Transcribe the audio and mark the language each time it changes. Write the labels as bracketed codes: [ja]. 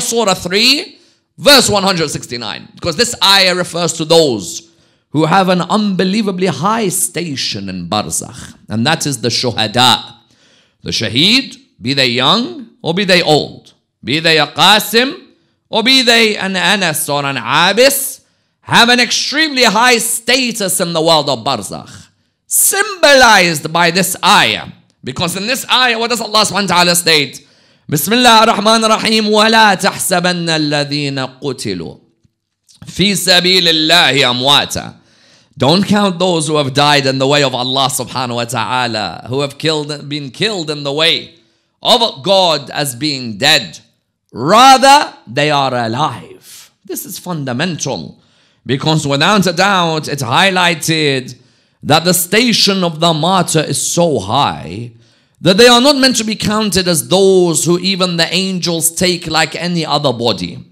[en] Surah 3, verse 169. Because this ayah refers to those who have an unbelievably high station in Barzakh, and that is the shuhada, the shaheed, be they young or be they old, be they a qasim or be they an anas or an abis, have an extremely high status in the world of Barzakh, symbolized by this ayah. Because in this ayah, what does Allah subhanahu wa ta'ala state? [ar] بسم الله الرحمن الرحيم ولا تحسبن الذين قتلوا في سبيل الله أمواتا. [en] Don't count those who have died in the way of Allah subhanahu wa ta'ala, who have killed, been killed in the way of God as being dead. Rather, they are alive. This is fundamental because without a doubt, it highlighted that the station of the martyr is so high that they are not meant to be counted as those who even the angels take like any other body.